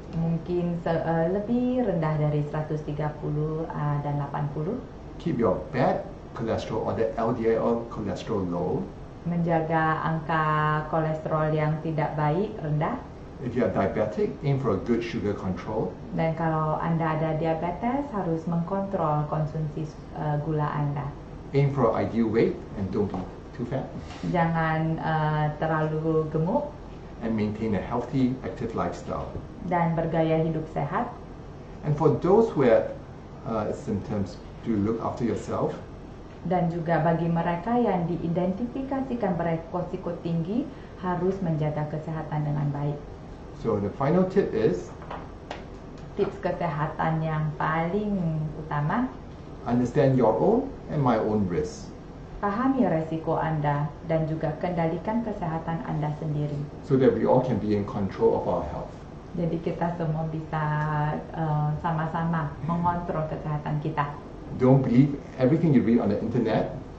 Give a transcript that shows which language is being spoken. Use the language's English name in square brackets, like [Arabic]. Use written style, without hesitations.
[Indonesian] Mungkin lebih rendah dari 130 dan 80. [English] Keep your bad cholesterol or the LDL cholesterol low. [Indonesian] menjaga angka kolesterol yang tidak baik rendah. [English] If you are diabetic, aim for a good sugar control. [Indonesian] Dan kalau Anda ada diabetes, harus mengkontrol konsumsi gula Anda. [English] Aim for ideal weight and don't be too fat. [Indonesian] Jangan terlalu gemuk. [English] And maintain a healthy, active lifestyle. [Indonesian] Dan bergaya hidup sehat. [English] And for those who have symptoms, do look after yourself. [Indonesian] Dan juga bagi mereka yang diidentifikasikan berisiko tinggi, harus menjaga kesehatan dengan baik. [English] So the final tip is, [Indonesian] tips kesehatan yang paling utama, [English] understand your own and my own risk. [Indonesian] Pahami resiko Anda dan juga kendalikan kesehatan Anda sendiri. [English] So that we all can be in control of our health. [Indonesian] Jadi kita semua bisa sama-sama mengontrol kesehatan kita. [English] Don't believe everything you read on the internet.